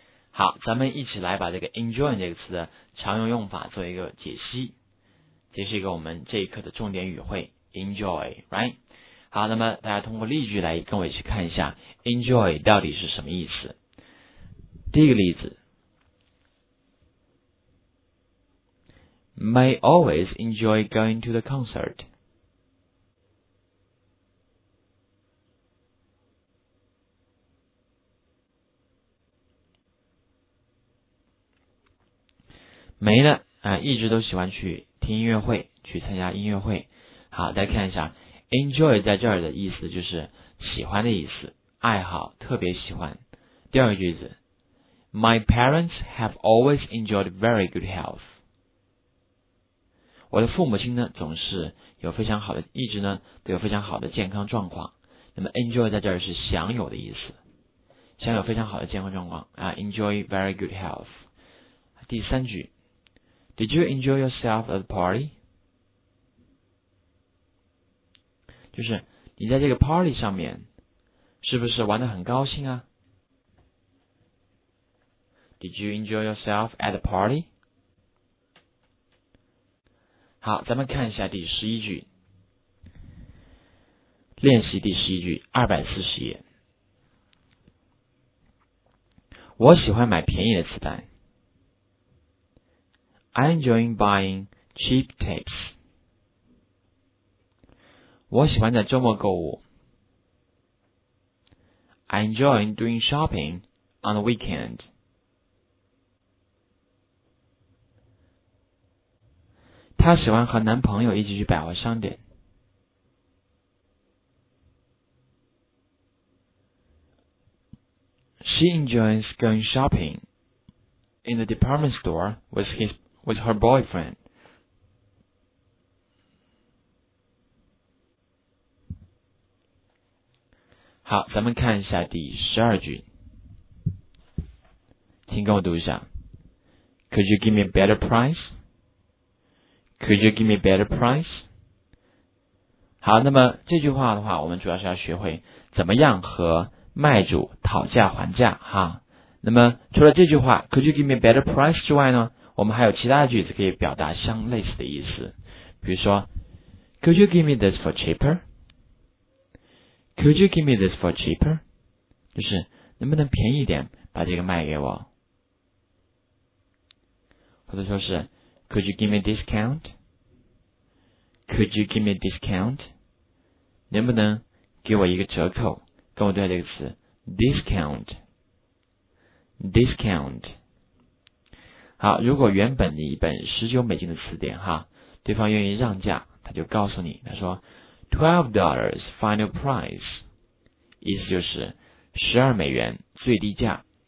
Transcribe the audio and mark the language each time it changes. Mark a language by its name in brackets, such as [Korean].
[Chinese] 好，咱们一起来把这个 enjoy 这个词的常用用法做一个解析，这是一个我们这一课的重点语汇 enjoy， right？好，那么大家通过例句来跟我一起看一下 enjoy 到底是什么意思。第一个例子， [English] May always enjoy going to the concert. [Chinese] May 呢、一直都喜欢去听音乐会，去参加音乐会。好，大家看一下 ，enjoy 在这儿的意思就是喜欢的意思，爱好，特别喜欢。第二个句子 [English] ，My parents have always enjoyed very good health. [Chinese] 我的父母亲呢总是有非常好的，一直呢都有非常好的健康状况。那么 enjoy 在这儿是享有的意思，享有非常好的健康状况啊， [English] enjoy very good health。 [Chinese] 第三句， [English] Did you enjoy yourself at the party？ [Chinese] 就是你在这个 party 上面是不是玩得很高兴啊？ [English] Did you enjoy yourself at the party？ [Chinese] 好，咱们看一下第十一句，练习第十一句240页。我喜欢买便宜的磁带。 [English] I enjoy buying cheap tapes. [Chinese] 我喜欢在周末购物。 [English] I enjoy doing shopping on the weekend. [Chinese] 她喜欢和男朋友一起去百货商店。 [English] She enjoys going shopping in the department store with her boyfriend. [Chinese] 好，咱们看一下第十二句，请跟我读一下。 [English] Could you give me a better price? Could you give me a better price? [Chinese] 好，那么这句话的话，我们主要是要学会怎么样和卖主讨价还价哈。那么除了这句话 [English] Could you give me a better price [Chinese] 之外呢，我们还有其他的句子可以表达相类似的意思。比如说 [English] Could you give me this for cheaper? Could you give me this for cheaper? [Chinese] 就是能不能便宜一点把这个卖给我？或者说是 [English] Could you give me a discount? Could you give me a discount? [Chinese] 能不能给我一个折扣？跟我对这个词 discount, discount。好，如果原本你一本19美金的词典哈，对方愿意让价，他就告诉你，他说 $12 [English] final price, [Chinese] 意思就是12美元最低价。